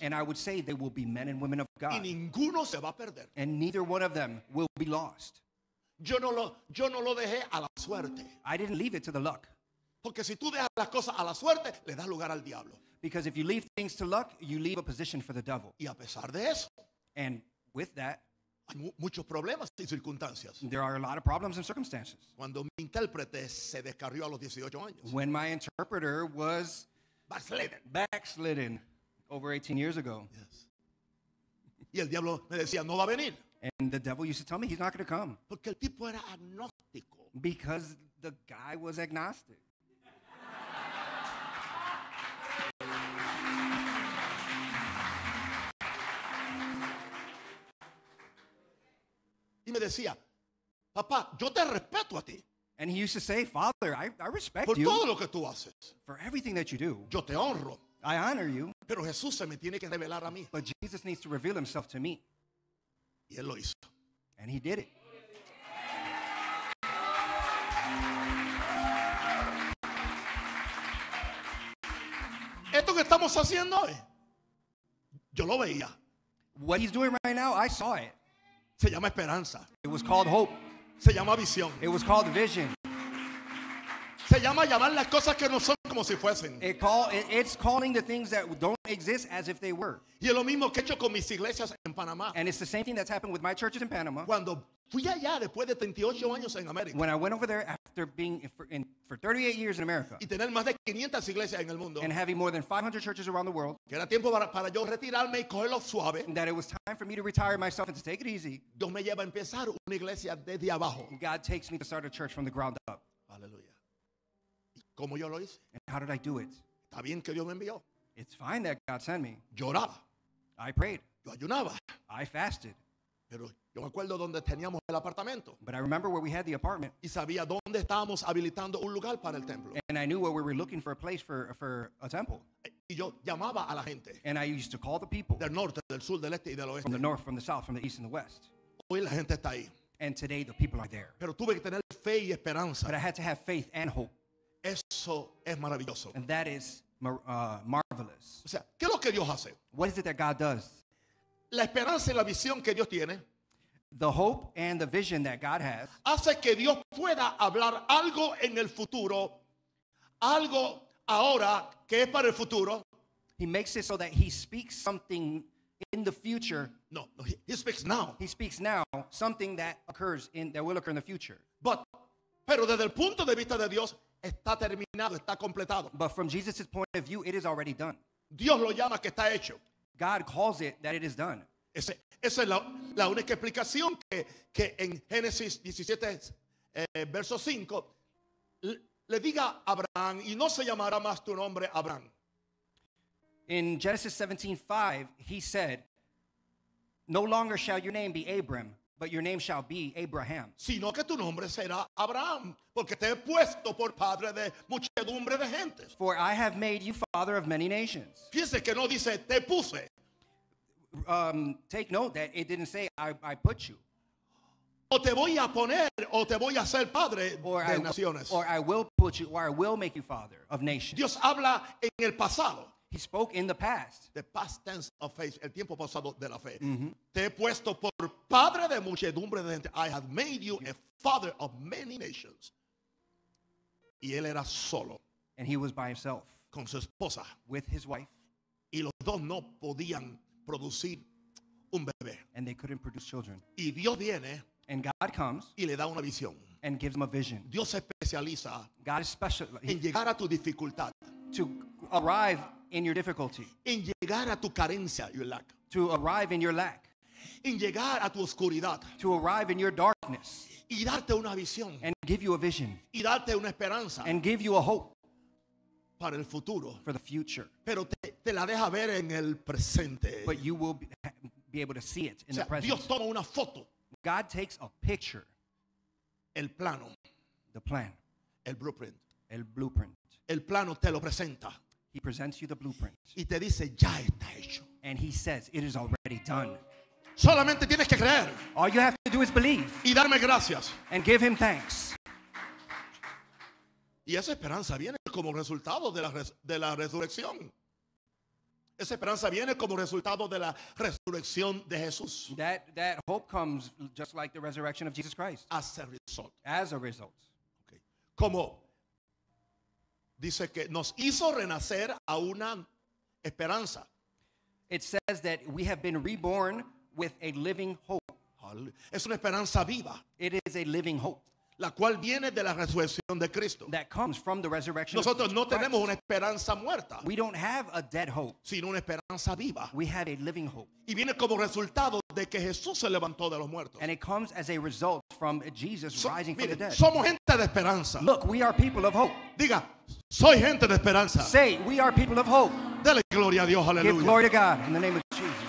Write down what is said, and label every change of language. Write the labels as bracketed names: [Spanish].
[English] And I would say they will be men and women of God. [Spanish] Y ninguno se va a perder. [English] And neither one of them will be lost. [Spanish] Yo no lo dejé a la suerte. [English] I didn't leave it to the luck. [Spanish] Porque si tú dejas las cosas a la suerte, le das lugar al diablo. [English] Because if you leave things to luck, you leave a position for the devil. [Spanish] Y a pesar de eso. [English] And with that. [Spanish] Muchos problemas y circunstancias. [English] There are a lot of problems and circumstances. [Spanish] Cuando mi intérprete se descarrió a los 18 años. [English] When my interpreter was backslidden over 18 years ago. Yes. [Spanish] Y el diablo me decía, no va a venir. [English] And the devil used to tell me he's not going to come. [Spanish] Porque el tipo era agnóstico. [English] Because the guy was agnostic. [Spanish] Y me decía, papá, yo te respeto a ti. [English] And he used to say, Father, I respect [Spanish] por [English] you. [Spanish] Por todo lo que tú haces. [English] For everything that you do. [Spanish] Yo te honro. [English] I honor you. [Spanish] Pero Jesús se me tiene que revelar a mí. [English] But Jesus needs to reveal himself to me. [Spanish] Y él lo hizo. [English] And he did it. [Spanish] Esto que estamos haciendo hoy, yo lo veía. [English] What he's doing right now, I saw it. [Spanish] Se llama esperanza. [English] It was called hope. [Spanish] Se llama visión. [English] It was called vision. [Spanish] Se llama llamar las cosas que no son como si fuesen. [English] It's calling the things that don't exist as if they were. [Spanish] Y es lo mismo que he hecho con mis iglesias en Panamá. [English] And it's the same thing that's happened with my churches in Panama. [Spanish] Cuando fui allá después de 38 años en América. [English] When I went over there after being for 38 years in America. [Spanish] Y tener más de 500 iglesias en el mundo. [English] And having more than 500 churches around the world. [Spanish] Que era tiempo para yo retirarme y cogerlo suave. [English] That it was time for me to retire myself and to take it easy. [Spanish] Dios me lleva a empezar una iglesia desde abajo. [English] God takes me to start a church from the ground up. [Spanish] Aleluya. ¿Cómo yo lo hice? [English] And how did I do it? [Spanish] Está bien que Dios me envió. [English] It's fine that God sent me. [Spanish] Lloraba. [English] I prayed. [Spanish] Yo ayunaba. [English] I fasted. [Spanish] Pero yo me acuerdo donde teníamos el apartamento. [English] But I remember where we had the apartment. [Spanish] Y sabía dónde estábamos habilitando un lugar para el templo. [English] And I knew where we were looking for a place for a temple. [Spanish] Y yo llamaba a la gente. [English] And I used to call the people. [Spanish] Del norte, del sur, del este y del oeste. [English] From the north, from the south, from the east and the west. [Spanish] Hoy la gente está ahí. [English] And today the people are there. [Spanish] Pero tuve que tener fe y esperanza. [English] But I had to have faith and hope. [Spanish] Eso es maravilloso. [English] And that is marvelous. [Spanish] O sea, ¿qué es lo que Dios hace? [English] What is it that God does? [Spanish] La esperanza y la visión que Dios tiene. [English] The hope and the vision that God has. [Spanish] Hace que Dios pueda hablar algo en el futuro. Algo ahora que es para el futuro. [English] He makes it so that he speaks something in the future. No, he speaks now. He speaks now something that occurs in that will occur in the future. [Spanish] Pero desde el punto de vista de Dios, está terminado, está completado. [English] But from Jesus' point of view, it is already done. [Spanish] Dios lo llama que está hecho. [English] God calls it that it is done. [Spanish] Esa es la única explicación que en Génesis 17, verso 5, le diga a Abraham, y no se llamará más tu nombre Abraham. [English] In Genesis 17:5, he said, no longer shall your name be Abram, But your name shall be Abraham. [Spanish] Sino que tu nombre será Abraham, porque te he puesto por padre de muchedumbre de gentes. [English] For I have made you father of many nations. [Spanish] Fíjese que no dice te puse. [English] Take note that it didn't say I put you. [Spanish] O te voy a poner, o te voy a ser padre de naciones. [English] Or I will put you, or I will make you father of nations. [Spanish] Dios habla en el pasado. [English] He spoke in the past. The past tense of faith, [Spanish] el tiempo pasado de la fe. Mm-hmm. Te he puesto por padre de muchedumbre de gente. [English] I have made you a father of many nations. [Spanish] Y él era solo. [English] And he was by himself. [Spanish] Con su esposa. [English] With his wife. [Spanish] Y los dos no podían producir un bebé. [English] And they couldn't produce children. [Spanish] Y Dios viene. [English] And God comes. [Spanish] Y le da una visión. [English] And gives him a vision. [Spanish] Dios se especializa. [English] God is special. [Spanish] En llegar a tu dificultad. [English] To arrive in your difficulty. [Spanish] En llegar a tu carencia, [English] your lack. To arrive in your lack. [Spanish] En llegar a tu oscuridad. [English] To arrive in your darkness. [Spanish] Y darte una visión. [English] And give you a vision. [Spanish] Y darte una esperanza. [English] And give you a hope. [Spanish] Para el futuro. [English] For the future. [Spanish] Pero te la deja ver en el presente. [English] But you will be able to see it in, [Spanish] o sea, [English] the present. [Spanish] Dios toma una foto. [English] God takes a picture. [Spanish] El plano. [English] The plan. [Spanish] El blueprint. El blueprint. El plano te lo presenta. [English] He presents you the blueprint. [Spanish] Y te dice, ya está hecho. [English] And he says, it is already done. [Spanish] Solamente tienes que creer. [English] All you have to do is believe. [Spanish] Y darme gracias. [English] And give him thanks. [Spanish] Y esa esperanza viene como resultado de la resurrección. Esa esperanza viene como resultado de la resurrección de Jesús. [English] That hope comes just like the resurrection of Jesus Christ. As a result. As a result. Okay. [Spanish] Como dice que nos hizo renacer a una esperanza. [English] It says that we have been reborn with a living hope. [Spanish] Es una esperanza viva. [English] It is a living hope. [Spanish] La cual viene de la resurrección de Cristo. [English] That comes from the resurrection. [Spanish] Nosotros [English] of Jesus [Spanish] no tenemos [English] Christ. [Spanish] Una esperanza muerta. [English] We don't have a dead hope. [Spanish] Sino una esperanza viva. [English] We have a living hope. [Spanish] Y viene como resultado de que Jesús se levantó de los muertos. [English] And it comes as a result from Jesus rising [Spanish] mire, [English] from the dead. [Spanish] Somos gente de esperanza. [English] Look, we are people of hope. [Spanish] Diga, soy gente de esperanza. [English] Say, we are people of hope. [Spanish] Dale gloria a Dios, aleluya. [English] Give glory to God in the name of Jesus.